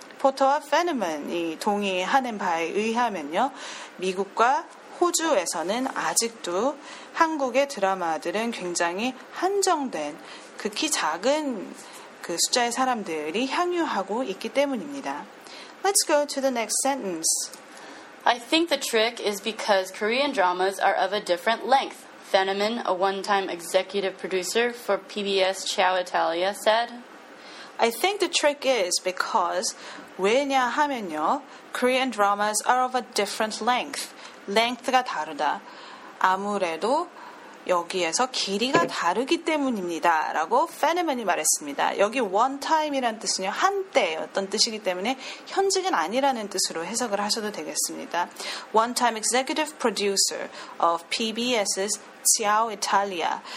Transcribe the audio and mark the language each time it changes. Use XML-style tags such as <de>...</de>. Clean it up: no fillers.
<ko>포터와 페너먼이 동의하는 바에 의하면요, 미국과 호주에서는 아직도 한국의 드라마들은 굉장히 한정된 극히 작은 그 숫자의 사람들이 향유하고 있기 때문입니다.</ko> <en>Let's go to the next sentence. I think the trick is because Korean dramas are of a different length. Fenneman, a one-time executive producer for PBS Ciao Italia, said. I think the trick is because</en> <ko>왜냐 하면요,</ko> <en>Korean dramas are of a different length.</en> <ko>Length가 다르다. 아무래도 여기에서 길이가 다르기 때문입니다. 라고 Fenneman이 말했습니다. 여기 one time이라는 뜻은요, 한때 어떤 뜻이기 때문에 현직은 아니라는 뜻으로 해석을 하셔도 되겠습니다.</ko> <en>One time executive producer of PBS's Ciao Italia.</en>